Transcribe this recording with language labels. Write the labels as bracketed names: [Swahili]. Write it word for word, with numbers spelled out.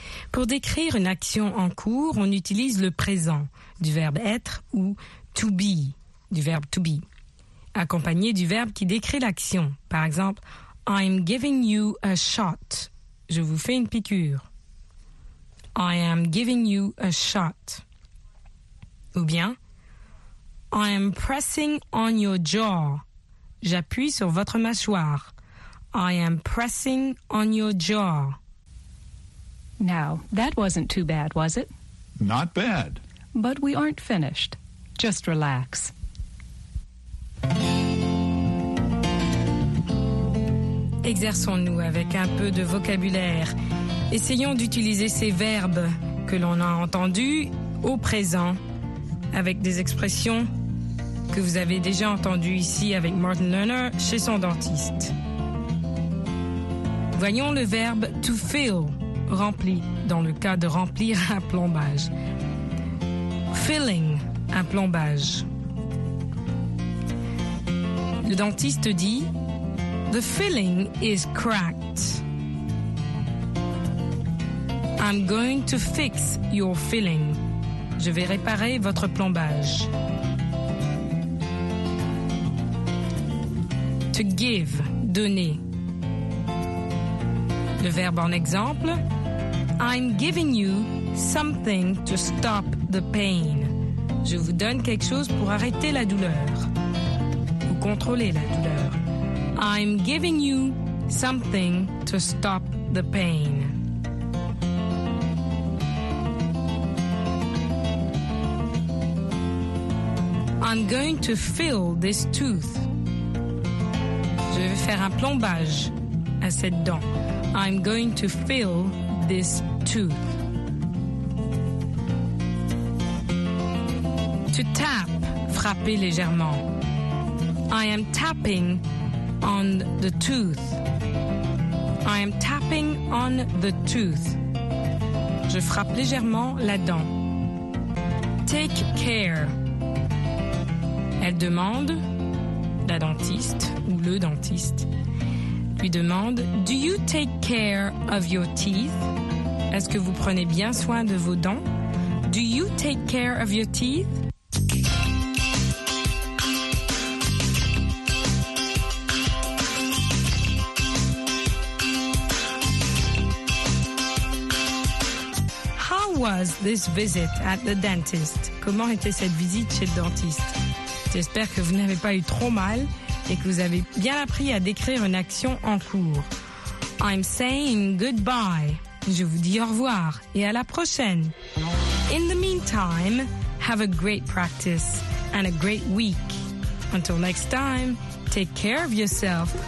[French] Pour décrire une action en cours, on utilise le présent du verbe être ou to be, du verbe to be, accompagné du verbe qui décrit l'action. Par exemple, [English] I'm giving you a shot. [French] Je vous fais une piqûre. [English] I am giving you a shot. [French] Ou bien, [English] I am pressing on your jaw. [French] J'appuie sur votre mâchoire. [English] I am pressing on your jaw. Now, that wasn't too bad, was it? Not bad. But we aren't finished. Just relax. [French] Exerçons-nous avec un peu de vocabulaire. Essayons d'utiliser ces verbes que l'on a entendus au présent avec des expressions que vous avez déjà entendues ici avec Martin Lerner chez son dentiste. Voyons le verbe « to fill », rempli, dans le cas de remplir un plombage. Filling, un plombage. Le dentiste dit [English] « The filling is cracked ». I'm going to fix your filling. [French] Je vais réparer votre plombage. [English] To give, donner. [French] Le verbe en exemple, [English] I'm giving you something to stop the pain. [French] Je vous donne quelque chose pour arrêter la douleur ou contrôler la douleur. [English] I'm giving you something to stop the pain. I'm going to fill this tooth. [French] Je vais faire un plombage à cette dent. [English] I'm going to fill this tooth. [French] To tap, frapper légèrement. [English] I am tapping on the tooth. I am tapping on the tooth. [French] Je frappe légèrement la dent. [English] Take care. [French] Elle demande, la dentiste ou le dentiste, lui demande « [English] Do you take care of your teeth » ? [French] Est-ce que vous prenez bien soin de vos dents ? [English] « Do you take care of your teeth » ? How was this visit at the dentist ? [French] Comment était cette visite chez le dentiste ? J'espère que vous n'avez pas eu trop mal et que vous avez bien appris à décrire une action en cours. [English] I'm saying goodbye. [French] Je vous dis au revoir et à la prochaine. [English] In the meantime, have a great practice and a great week. Until next time, take care of yourself.